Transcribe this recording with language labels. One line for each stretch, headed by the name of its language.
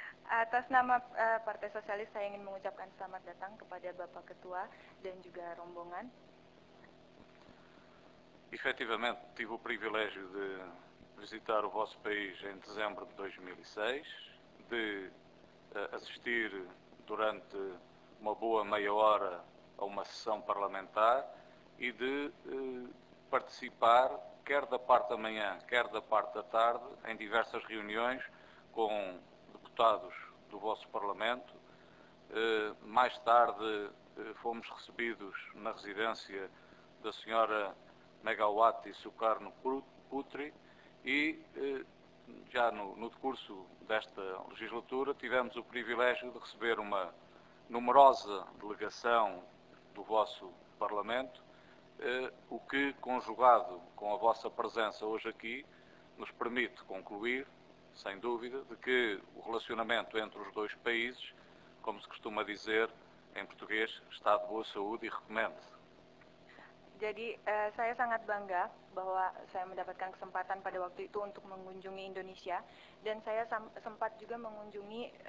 Indonesian: Atas nama Partai Sosialis saya ingin mengucapkan selamat datang kepada Bapak Ketua dan juga rombongan.
Portuguese: Efetivamente, tive o privilégio de visitar o vosso país em dezembro de 2006, de assistir durante uma boa meia hora a uma sessão parlamentar e de participar, quer da parte da manhã, quer da parte da tarde, em diversas reuniões com deputados do vosso Parlamento. Mais tarde, fomos recebidos na residência da senhora Megawati Sukarno Putri e já no decurso desta legislatura tivemos o privilégio de receber uma numerosa delegação do vosso Parlamento, o que, conjugado com a vossa presença hoje aqui, nos permite concluir, sem dúvida, de que o relacionamento entre os dois países, como se costuma dizer em português, está de boa saúde e recomendo-se.
Indonesian: Jadi saya sangat bangga bahwa saya mendapatkan kesempatan pada waktu itu untuk mengunjungi Indonesia dan saya sempat juga mengunjungi